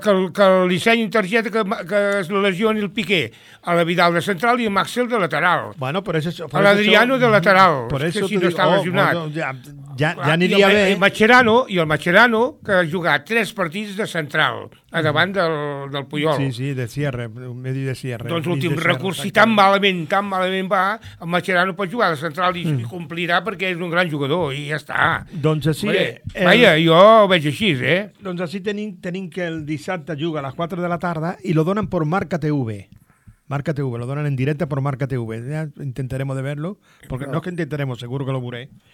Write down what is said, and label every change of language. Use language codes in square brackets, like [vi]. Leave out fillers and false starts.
[ca] Que li senyi targeta que es lesioni el Piqué. A la Vidal de central i a Maxel de lateral. Bueno, per això... A l'Adriano de lateral. Per això si no està lesionat. Ja aniria bé. I el Mascherano, que ha jugat 3 partits de central, a davant del Puyol. [es] Sí, de cierre, medi de cierre. [ca] Doncs l'últim recurs, si tan malament va, el Mascherano pot jugar de central i complirà, perquè és un gran jugador, i ja està. Doncs així... Jo ho veig així, eh? Doncs així tenim que el dissabte juga a les 4 de la tarda i lo donen per Marca TV. [es] Marca TV, lo donan en directa por Marca TV. Ya intentaremos de verlo, porque claro. No es que intentaremos, seguro que lo veré.